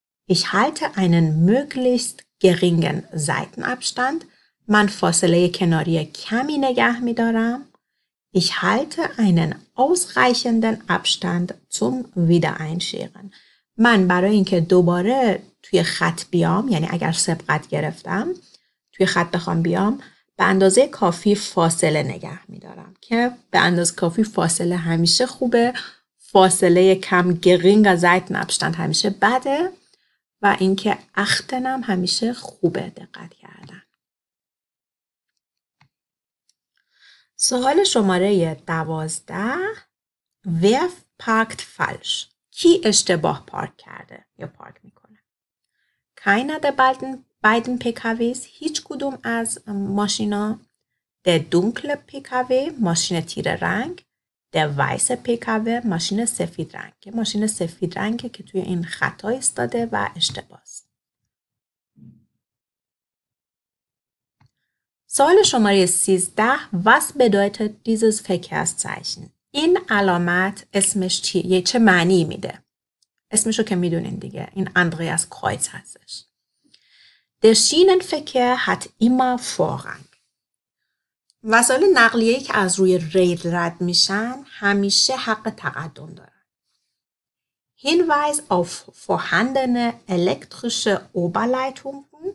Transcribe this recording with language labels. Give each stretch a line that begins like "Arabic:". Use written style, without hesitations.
German: Ich halte einen möglichst geringen Seitenabstand.
Persian: من فاصله کناری کمی نگه میدارم.
German: Ich halte einen ausreichenden Abstand zum Wiedereinscheren.
Persian: من برای اینکه دوباره توی خط بیام، یعنی اگر سبقت گرفتم توی خط بخوام بیام، به اندازه کافی فاصله نگه میدارم، که به اندازه کافی فاصله همیشه خوبه، فاصله کم
German: گرینگ از زیتن ابشتند
Persian: همیشه بده و اینکه اختنم همیشه خوبه. دقت کردن. سوال شماره
German: 12. Wer parkt falsch?
Persian: کی اشتباه پارک کرده یا پارک میکنه؟
German: Keiner der beiden PKWs,
Persian: هیچ کدوم از ماشینا.
German: Der dunkle PKW,
Persian: ماشین تیره رنگ.
German: Der weiße PKW,
Persian: ماشین سفید رنگ. ماشین سفید رنگه که توی این خطا استاده و اشتباه است. سوال شماره 13.
German: Was bedeutet dieses Verkehrszeichen?
Persian: این علامت اسمش چیه؟ چه معنی میده؟ اسمشو که میدونین دیگه. این اندریاس کرویتز هستش.
German: Der Schienenverkehr hat immer Vorrang.
Persian: وسایل نقلیه‌ای که از روی ریل رد میشن همیشه حق تقدم دارن.
German: Hinweis auf vorhandene elektrische Oberleitungen.